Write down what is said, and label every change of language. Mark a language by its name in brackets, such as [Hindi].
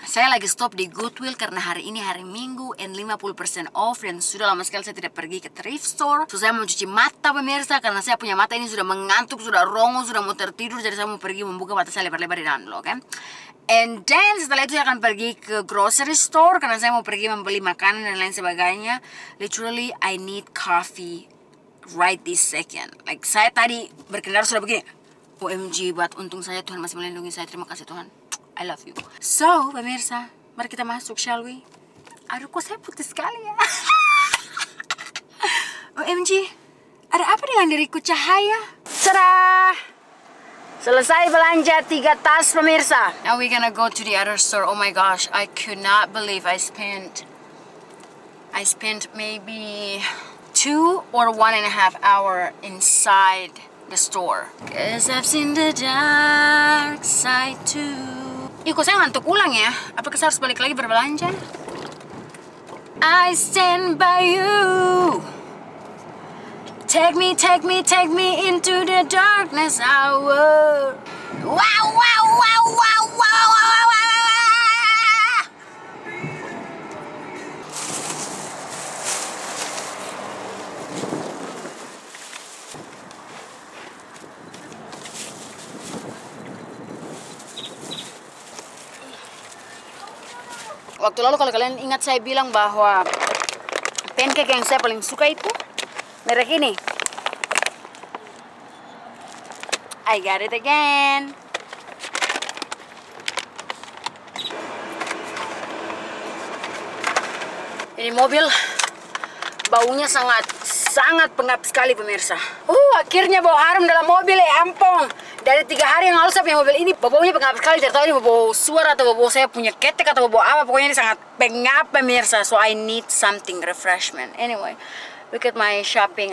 [Indonesian] Saya lagi stop di Goodwill karena hari ini hari Minggu [English] and 50% off [Indonesian] dan sudah lama sekali saya tidak pergi ke thrift store. So saya mau cuci mata, pemirsa, karena saya punya mata ini sudah mengantuk, sudah rongo, sudah mau tertidur. Jadi saya mau pergi membuka mata saya lebar-lebar di dalam dulu, oke? And then setelah itu saya akan pergi ke grocery store karena saya mau pergi membeli makanan dan lain sebagainya. [English] Literally I need coffee right this second. [Indonesian] Like saya tadi berkendara sudah begini. OMG, buat untung saya Tuhan masih melindungi saya. Terima kasih Tuhan. [English] I love you. [Indonesian] So, pemirsa, mari kita masuk, [English] shall we? [Indonesian] Aduh, kok saya putih sekali ya. OMG, ada apa dengan diriku cahaya? Tadah! Selesai belanja 3 tas, pemirsa. [English] Now we're gonna go to the other store. Oh my gosh, I could not believe I spent maybe 2 or 1.5 hours inside the store. Cause I've seen the dark side too. [Indonesian] Iko, saya ngantuk ulang ya. Apakah saya harus balik lagi berbelanja? [English] I stand by you. Take me into the darkness hour. Wow, wow, wow, wow, wow, wow, wow, wow, wow, wow. [Indonesian] Waktu lalu kalau kalian ingat saya bilang bahwa pancake yang saya paling suka itu merek ini. [English] I got it again. [Indonesian] Ini mobil baunya sangat sangat pengap sekali, pemirsa. Akhirnya bau harum dalam mobil ya, ampong. Dari 3 hari yang lalu saya punya mobil ini baunya pengap sekali. Tidak tahu ini bau suara atau bau saya punya ketek atau bau apa. Pokoknya ini sangat pengap, pemirsa. [English] So I need something refreshment. Anyway, look at my shopping.